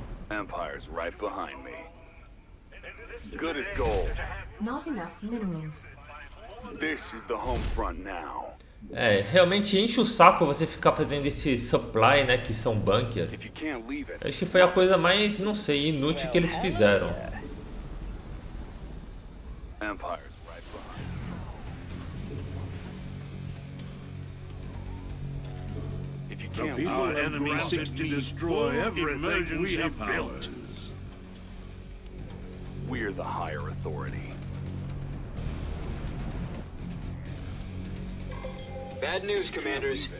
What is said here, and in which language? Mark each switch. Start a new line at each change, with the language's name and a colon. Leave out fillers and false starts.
English: Empire's right behind me. Good as gold. Not enough minerals. This is the home front now.
Portuguese: É, realmente enche o saco você ficar fazendo esse supply, né, que são bunker. Acho que foi a coisa mais, não sei, inútil que eles fizeram.
English: Empire's right behind me. The people our enemy seeks to destroy everything we have built. We're the higher authority. Bad news, commanders.